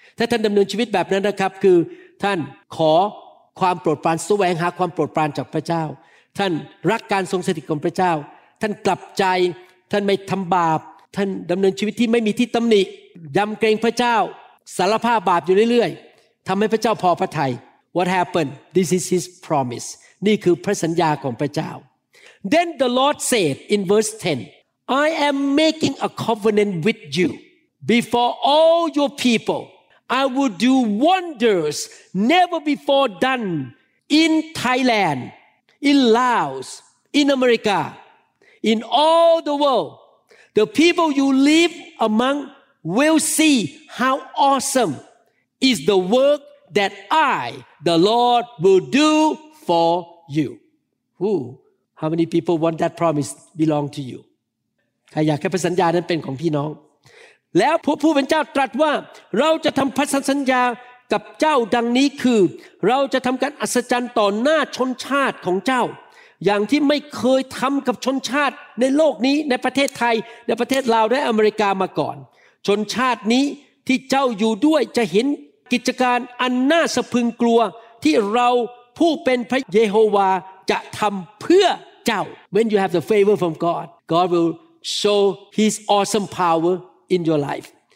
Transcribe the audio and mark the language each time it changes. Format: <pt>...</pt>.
<th>ถ้าท่านดำเนินชีวิตแบบนั้นนะครับคือท่านขอความโปรดปรานแสวงหาความโปรดปรานจากพระเจ้าท่านรักการทรงสถิตของพระเจ้าท่านกลับใจท่านไม่ทำบาปท่านดำเนินชีวิตที่ไม่มีที่ตำหนิยำเกรงพระเจ้าสารภาพบาปอยู่เรื่อยๆทำให้พระเจ้าพอพระทัย</th> <en>What happened? This is his promise.</en> <th>นี่คือพระสัญญาของพระเจ้า</th> <en>Then the Lord said in verse 10, I am making a covenant with you before all your people. I will do wonders never before done in Thailand, in Laos, in America. In all the world, the people you live among will see how awesome is the work that I, the Lord, will do for you. Who? How many people want that promise belong to you?</en> <th>ใครอยากให้พันธสัญญานั้นเป็นของพี่น้องแล้วผู้เป็นเจ้าตรัสว่าเราจะทำพันธสัญญากับเจ้าดังนี้คือเราจะทำการอัศจรรย์ต่อหน้าชนชาติของเจ้า อย่างที่ไม่เคยทำกับชนชาติในโลกนี้ในประเทศไทยในประเทศลาวและอเมริกามาก่อนชนชาตินี้ที่เจ้าอยู่ด้วยจะเห็นกิจการอันน่าสะพรึงกลัวที่เราผู้เป็นพระเยโฮวาจะทำเพื่อเจ้า</th> <en>When you have the favor from God, God will show His awesome power in your life.</en>